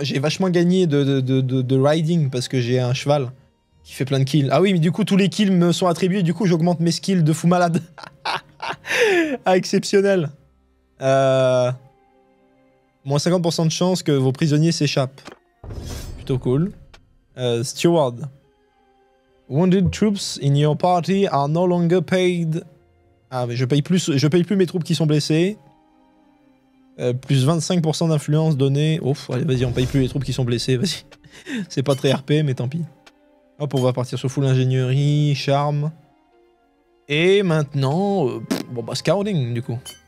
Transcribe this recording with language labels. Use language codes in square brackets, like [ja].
[fr] J'ai vachement gagné de riding parce que j'ai un cheval qui fait plein de kills. Ah oui, mais du coup, tous les kills me sont attribués. Du coup, j'augmente mes skills de fou malade. Ah, exceptionnel. Moins 50% de chance que vos prisonniers s'échappent. Plutôt cool. Steward. [en] Wounded troops in your party are no longer paid... [fr] Ah, mais je paye plus mes troupes qui sont blessées. Plus 25% d'influence donnée. Ouf, allez, vas-y, on paye plus les troupes qui sont blessées, vas-y. C'est pas très RP, mais tant pis. Hop, on va partir sur full ingénierie, charme. Et maintenant, scouting, du coup.